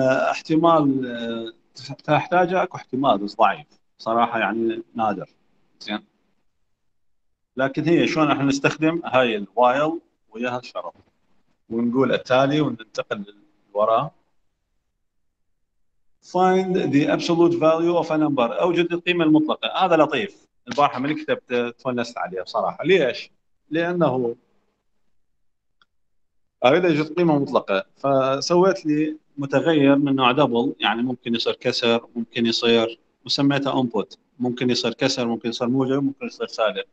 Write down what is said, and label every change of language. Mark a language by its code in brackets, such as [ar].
[ar] احتمال تحتاجه اكو احتمال بس ضعيف صراحه يعني نادر. زين، لكن هي شلون احنا نستخدم هاي الوايل وياها الشرط، ونقول التالي وننتقل للوراء. [en] find the absolute value of a number، [ar] اوجد القيمه المطلقه. هذا لطيف، البارحه من كتبت تفنست عليه بصراحه. ليش؟ لانه اريد اجد قيمه مطلقه، فسويت لي متغير من نوع دبل، يعني ممكن يصير كسر، ممكن يصير، وسميته انبوت، ممكن يصير كسر، ممكن يصير موجب، ممكن يصير سالب.